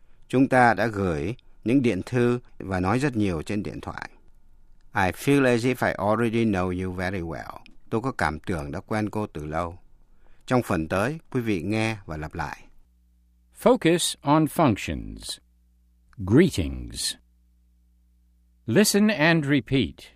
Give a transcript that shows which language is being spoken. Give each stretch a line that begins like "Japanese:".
Vietnamese: Chúng ta đã gửi những điện thư và nói rất nhiều trên điện thoại.
English: I feel as if I already know you very well.
Vietnamese: Tôi có cảm tưởng đã quen cô từ lâu. Trong phần tới, quý vị nghe và lặp lại.
English: Focus on functions. Greetings. Listen and repeat.